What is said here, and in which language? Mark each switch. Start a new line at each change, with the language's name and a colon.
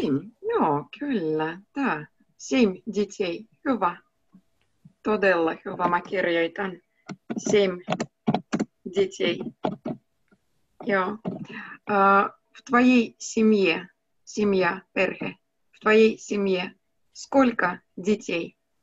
Russian: Семь,
Finnish: joo, kyllä,
Russian: да. Семь детей,
Finnish: hyvä. Todella hyvä. Mä kirjoitan 7
Russian: детей.
Finnish: Joo.
Russian: В твоей семье, семья,
Finnish: перхе,
Russian: в твоей семье сколько детей?